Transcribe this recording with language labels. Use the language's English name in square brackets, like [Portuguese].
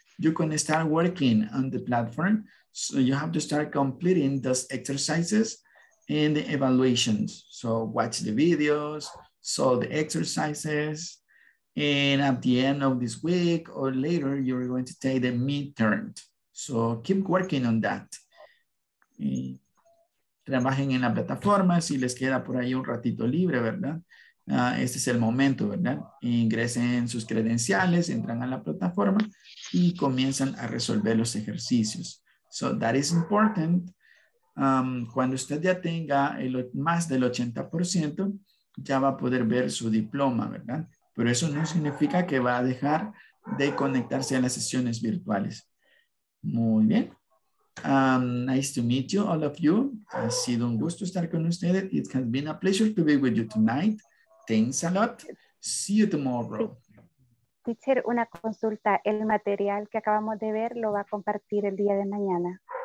[English] You can start working on the platform. So you have to start completing those exercises and the evaluations. So watch the videos, solve the exercises, and at the end of this week or later, you're going to take the midterm. So keep working on that. [Spanish] Trabajen en la plataforma si les queda por ahí un ratito libre, ¿verdad? Este es el momento, ¿verdad? Ingresen sus credenciales, entran a la plataforma y comienzan a resolver los ejercicios. [English] So that is important. [Spanish] Cuando usted ya tenga más del 80%, ya va a poder ver su diploma, ¿verdad? Pero eso no significa que va a dejar de conectarse a las sesiones virtuales. Muy bien. [English] Nice to meet you, all of you. [Spanish] Ha sido un gusto estar con ustedes. [English] It has been a pleasure to be with you tonight. Thanks a lot. See you tomorrow. [Spanish] Teacher, una consulta. El material que acabamos de ver lo va a compartir el día de mañana.